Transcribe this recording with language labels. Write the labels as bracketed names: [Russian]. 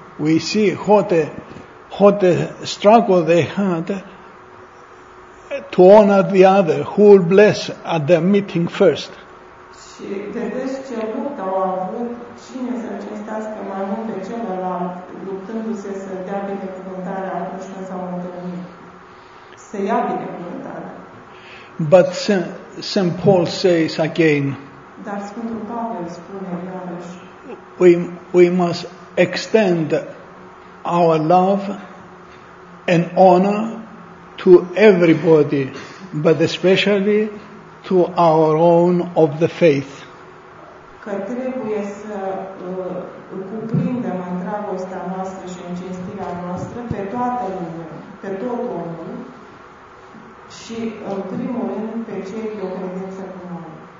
[English] We see what a struggle they had to honor the other, who will bless at their meeting first. [Romanian] Și vedeți ce luptă au avut, cine să cinstească mai mult pe celălalt, luptându-se să dea binecuvântarea atunci când s-au întâlnit. Să ia binecuvântarea. [English] But Saint Paul says again, [Romanian] dar Sfântul Pavel spune iarăși, [English] we must extend our love and honor to everybody, but especially to our own of the faith. [Romanian] Că trebuie să cuprindem în dragostea noastră și în cinstirea noastră pe toată lumea, pe tot omul și în primul rând pe cei de o credință cu noi.